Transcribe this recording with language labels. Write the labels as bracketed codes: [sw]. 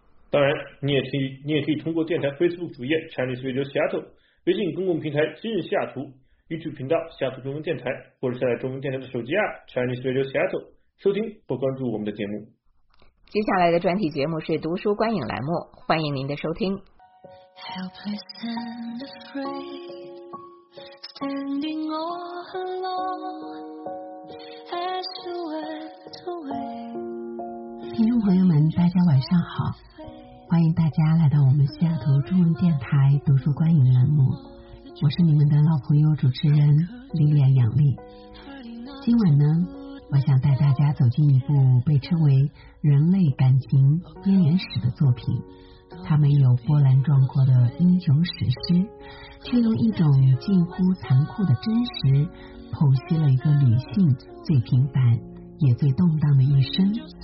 [zh] 当然，你也可以通过电台 Facebook 主页 Chinese Radio Seattle、微信公共平台今日西雅图、YouTube 频道西雅图中文电台，或者下载中文电台的手机 App Chinese Radio Seattle 收听或关注我们的节目。接下来的专题节目是读书观影栏目，欢迎您的收听。 [en] Helpless and afraid. Standing all alone as you went away。 [zh] 听众朋友们，大家晚上好，欢迎大家来到我们西雅图中文电台读书观影栏目。我是你们的老朋友主持人莉莉安杨丽。今晚呢，我想带大家走进一部被称为人类感情边缘史的作品，它没有波澜壮阔的英雄史诗，却用一种近乎残酷的真实剖析了一个女性最平凡也最动荡的一生。